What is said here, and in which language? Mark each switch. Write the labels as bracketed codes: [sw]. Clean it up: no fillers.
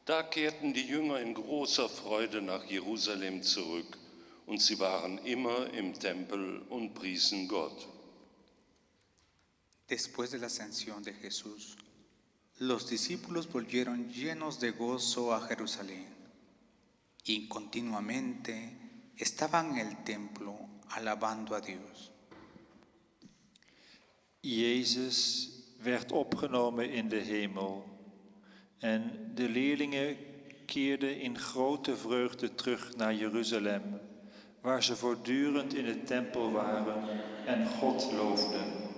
[de] Kehrten die Jünger in großer Freude nach Jerusalem zurück, und sie waren immer im Tempel und priesen Gott. [es] Después de la ascensión de Jesús, los discípulos volvieron llenos de gozo a Jerusalén, y continuamente estaban en el templo alabando a Dios. [nl] Jesus werd opgenomen in de hemel, en de leerlingen keerde in grote vreugde terug naar Jeruzalem, waar ze voortdurend in de tempel waren en God loofden.